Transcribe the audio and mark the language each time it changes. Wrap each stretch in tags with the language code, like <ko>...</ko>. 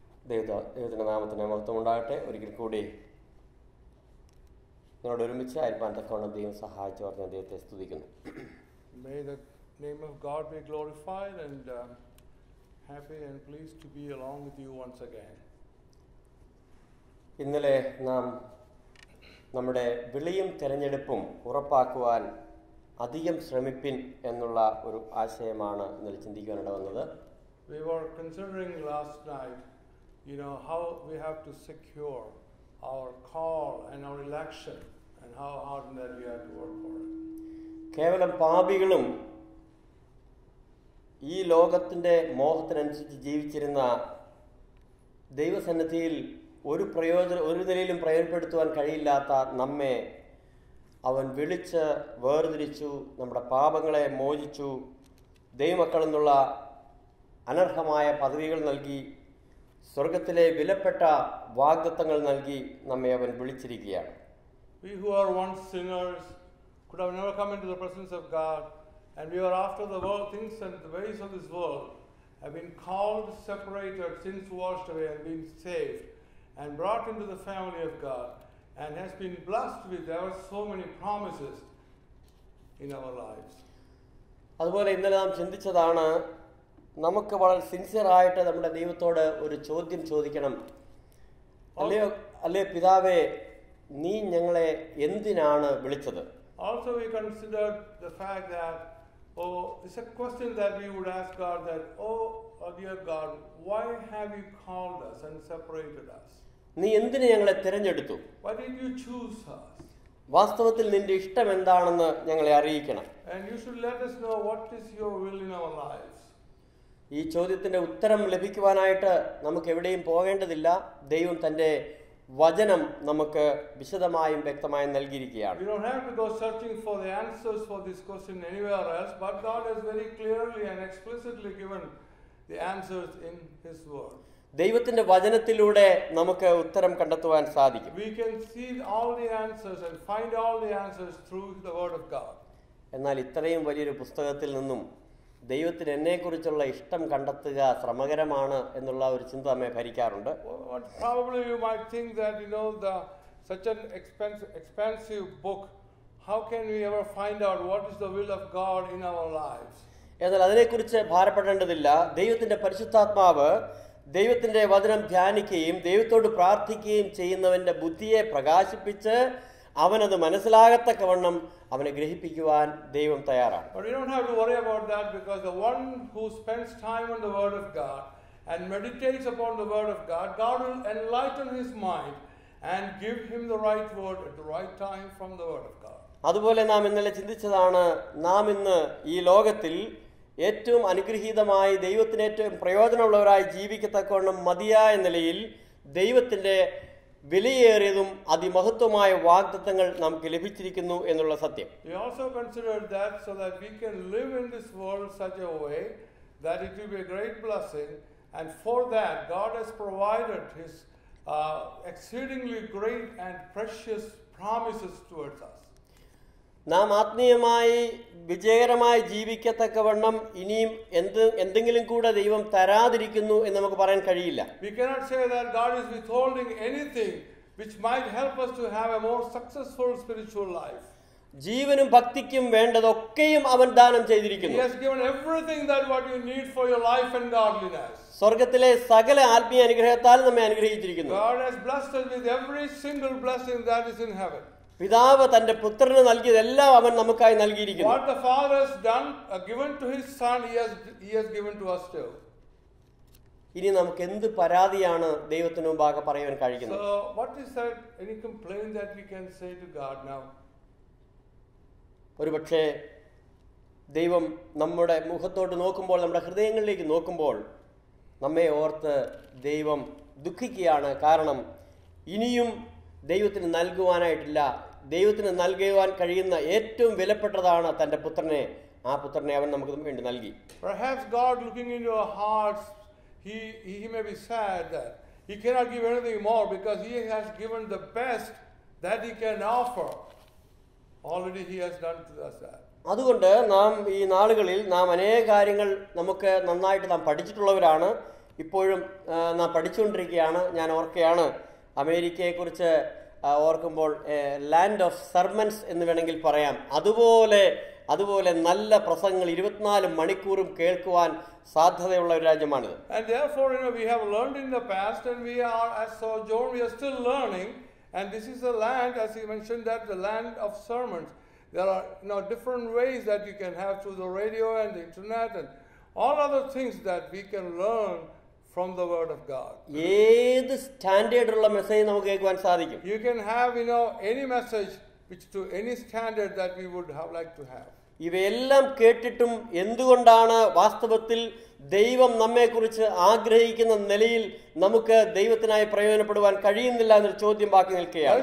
<ml>ദൈവത്തിൻ്റെ നാമത്തിന് മഹത്വം ഉണ്ടാകട്ടെ. ഒരിക്കൽ കൂടി നിങ്ങളോട് ഒരുമിച്ച് അരിപ്പാൻ തക്കവണ്ണം ദൈവം സഹായിച്ചു പറഞ്ഞ ദൈവത്തെ സ്തുതിക്കുന്നു.</ml> <en>May the name of God be glorified, and happy and pleased to be along with you once again.</en> <ml>ഇന്നലെ നാം നമ്മുടെ വിളിയും തിരഞ്ഞെടുപ്പും ഉറപ്പാക്കുവാൻ അധികം ശ്രമിപ്പിൻ എന്നുള്ള ഒരു ആശയമാണ് ഇന്നലെ ചിന്തിക്കാനിട വന്നത്.</ml> <en>We were considering last night, you know, how we have to secure our call and our election, and how hard that we have to work for it.</en> <ml>കേവലം പാപികളും ഈ ലോകത്തിന്റെ മോഹത്തിനനുസരിച്ച് ജീവിച്ചിരുന്ന ദൈവസന്നിധിയിൽ ഒരു നിലയിലും പ്രയോജനപ്പെടുത്തുവാൻ കഴിയില്ലാത്ത നമ്മെ അവൻ വിളിച്ച് വേർതിരിച്ചു, നമ്മുടെ പാപങ്ങളെ മോചിച്ചു, ദൈവമക്കളിൽ നിന്നുള്ള അനർഹമായ പദവികൾ നൽകി, സ്വർഗത്തിലെ വിലപ്പെട്ട വാഗ്ദത്തങ്ങൾ നൽകി നമ്മെ അവൻ വിളിച്ചിരിക്കുകയാണ്.</ml> <en>We who are once sinners could have never come into the presence of God, and we are after the world things and the ways of this world, have been called, separated, sins washed away, and been saved and brought into the family of God, and has been blessed with there are so many promises in our lives.</en> <ml>അതുപോലെ ഇന്നലെ നാം ചിന്തിച്ചതാണ്, നമുക്ക് വളരെ സിൻസിയറായിട്ട് നമ്മുടെ ദൈവത്തോട് ഒരു ചോദ്യം ചോദിക്കണം. അല്ലയോ, അല്ലേ പിതാവേ, നീ ഞങ്ങളെ എന്തിനാണ് വിളിച്ചത്?</ml> <en>Also we considered the fact that it's a question that we would ask God, that dear God, why have you called us and separated us?</en> <ml>നീ എന്തിനെ ഞങ്ങളെ തിരഞ്ഞെടുത്തു?</ml> <en>Why did you choose us?</en> <ml>വാസ്തവത്തിൽ നിന്റെ ഇഷ്ടം എന്താണെന്ന് ഞങ്ങളെ അറിയിക്കണം.</ml> <en>And you should let us know what is your will in our lives.</en> <ml>ഈ ചോദ്യത്തിന്റെ ഉത്തരം ലഭിക്കുവാനായിട്ട് നമുക്ക് എവിടെയും പോകേണ്ടതില്ല. ദൈവം തന്റെ വചനം നമുക്ക് വിശദമായും വ്യക്തമായും നൽകിയിരിക്കുകയാണ്.</ml> <en>You don't have to go searching for the answers for this question anywhere else, but God has very clearly and explicitly given the answers in his word.</en> <ml>ദൈവത്തിന്റെ വചനത്തിലൂടെ നമുക്ക് ഉത്തരം കണ്ടെത്തുവാൻ സാധിക്കും.</ml> <en>We can see all the answers and find all the answers through the word of God.</en> <ml>എന്നാൽ ഇത്രയും വലിയൊരു പുസ്തകത്തിൽ നിന്നും ദൈവത്തിന് എന്നെ കുറിച്ചുള്ള ഇഷ്ടം കണ്ടെത്തുക ശ്രമകരമാണ് എന്നുള്ള ഒരു ചിന്ത നമ്മെ ഭരിക്കാറുണ്ട്.</ml> <en>Probably you might think that, you know, the such an expensive book, how can we ever find out what is the will of God in our lives?</en> <ml>എന്നാൽ അതിനെക്കുറിച്ച് ഭാരപ്പെടേണ്ടതില്ല. ദൈവത്തിന്റെ പരിശുദ്ധാത്മാവ് ദൈവത്തിന്റെ വചനം ധ്യാനിക്കുകയും ദൈവത്തോട് പ്രാർത്ഥിക്കുകയും ചെയ്യുന്നവന്റെ ബുദ്ധിയെ പ്രകാശിപ്പിച്ച് അവനത് മനസ്സിലാകത്തക്ക വണ്ണം അവനെ ഗ്രഹിപ്പിക്കുവാൻ ദൈവം തയ്യാറാണ്.</ml> <en>But we don't have to worry about that because the one who spends time on the word of God and meditates upon the word of God, God will enlighten his mind and give him the right word at the right time from the word of God.</en> <ml>അതുപോലെ നാം ഇന്നലെ ചിന്തിച്ചതാണ് നാം ഇന്ന് ഈ ലോകത്തിൽ ഏറ്റവും അനുഗ്രഹീതമായി ദൈവത്തിന് ഏറ്റവും പ്രയോജനമുള്ളവരായി ജീവിക്കത്തക്കവണ്ണം മതിയായ നിലയിൽ ദൈവത്തിൻ്റെ വിലയേറിയതും അതിമഹത്വമായ വാഗ്ദത്തങ്ങൾ നമുക്ക് ലഭിച്ചിരിക്കുന്നു എന്നുള്ള സത്യം.</ml> <en>We also considered that so that we can live in this world such a way that it will be a great blessing, and for that God has provided his exceedingly great and precious promises towards us.</en> <ml>നാം ആത്മീയമായി വിജയകരമായി ജീവിക്കത്തക്കവണ്ണം ഇനിയും എന്തെങ്കിലും കൂടെ ദൈവം തരാതിരിക്കുന്നു എന്ന് നമുക്ക് പറയാൻ കഴിയില്ല.</ml> <en>We cannot say that God is withholding anything which might help us to have a more successful spiritual life.</en> <ml>ജീവനും ഭക്തിക്കും വേണ്ടതൊക്കെയും അവൻ ദാനം ചെയ്തിരിക്കുന്നു.</ml> <en>He has given everything that what you need for your life and godliness.</en> <ml>സ്വർഗ്ഗത്തിലെ സകല ആത്മീയ അനുഗ്രഹത്താൽ നമ്മെ അനുഗ്രഹിച്ചിരിക്കുന്നു.</ml> <en>God has blessed us with every single blessing that is in heaven.</en> <ml>പിതാവ് തന്റെ പുത്രന് നൽകിയതെല്ലാം അവൻ നമുക്കായി നൽകിയിരിക്കുന്നു.</ml> <en>What the Father has done, given to his son, he has given to us too.</en> <ml>ഇനി നമുക്ക് എന്ത് പരാതിയാണ് ദൈവത്തിന് മുമ്പാകെ പറയാൻ കഴിയുന്നത്?</ml> <en>So what is that any complaint that we can say to God now?</en> <ml>ഒരുപക്ഷേ ദൈവം നമ്മുടെ മുഖത്തോട്ട് നോക്കുമ്പോൾ നമ്മുടെ ഹൃദയങ്ങളിലേക്ക് നോക്കുമ്പോൾ നമ്മെ ഓർത്ത് ദൈവം ദുഃഖിക്കുകയാണ്. കാരണം ഇനിയും ദൈവത്തിന് നൽകുവാനായിട്ടില്ല. ദൈവത്തിന് നൽകുവാൻ കഴിയുന്ന ഏറ്റവും വിലപ്പെട്ടതാണ് തന്റെ പുത്രനെ. ആ പുത്രനെ അവൻ നമുക്ക് വേണ്ടി നൽകി.</ml> <en>Perhaps God looking into our hearts, he may be sad that he cannot give anything more because he has given the best that he can offer. Already he has done to us that.</en> <ml>അതുകൊണ്ട് നാം ഈ നാളുകളിൽ നാം അനേക കാര്യങ്ങൾ നമുക്ക് നന്നായിട്ട് നാം പഠിച്ചിട്ടുള്ളവരാണ്. ഇപ്പോഴും നാം പഠിച്ചുകൊണ്ടിരിക്കുകയാണ്. ഞാൻ ഓർക്കുകയാണ് അമേരിക്കയെക്കുറിച്ച് ഓർക്കുമ്പോൾ</ml> <en>land of sermons</en> <ml>എന്ന് വേണമെങ്കിൽ പറയാം. അതുപോലെ നല്ല പ്രസംഗങ്ങൾ 24 മണിക്കൂറും കേൾക്കുവാൻ സാധ്യതയുള്ള ഒരു രാജ്യമാണ്.</ml> <en>And therefore, you know, we have learned in the past and we are, as sojourn, we are still learning. And this is a land, as he mentioned, that the land of sermons. There are, you know, different ways that you can have through the radio and the internet and all other things that we can learn from the word of God.</en> <ml>ഏത് സ്റ്റാൻഡേർഡുള്ള message നമുക്ക് കേൾക്കാൻ സാധിക്കും.</ml> <en>You can have, you know, any message which to any standard that we would have like to have.</en> <ml>ഇവയെല്ലാം കേട്ടിട്ടും എന്തുകൊണ്ടാണ് വാസ്തവത്തിൽ ദൈവം നമ്മെക്കുറിച്ച് ആഗ്രഹിക്കുന്ന നിലയിൽ നമുക്ക് ദൈവത്തിനായി പ്രയോജനപ്പെടുവാൻ കഴിയുന്നില്ല എന്നൊരു ചോദ്യം ബാക്കി നിൽക്കുകയാണ്.</ml>